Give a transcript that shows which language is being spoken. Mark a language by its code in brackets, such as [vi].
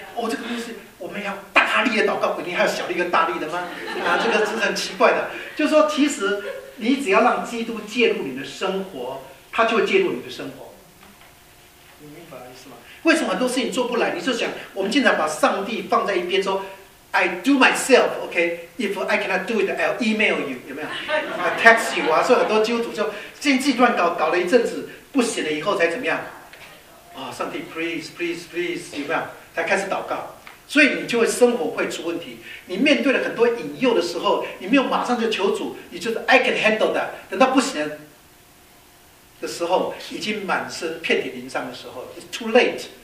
[zh] 这个东西我们要大力的祷告，肯定还有小力跟大力的吗？这个是很奇怪的。就是说其实你只要让基督介入你的生活，他就会介入你的生活，你明白意思吗？为什么很多事情做不来？你就想我们经常把上帝放在一边说 [en] I do myself OK， if I cannot do it I'll email you， [zh] 有没有？ [en] I'll text you 啊。 [zh] 所以很多基督徒就先自己乱搞，搞了一阵子不行了以后才怎么样上帝 [en] please please please， [zh] 有没有？才开始祷告。所以你就会生活会出问题，你面对了很多引诱的时候，你没有马上就求主，你就是 [en] I can handle that， [zh] 等到不行的时候已经满身遍体鳞伤的时候， [en] it's too late。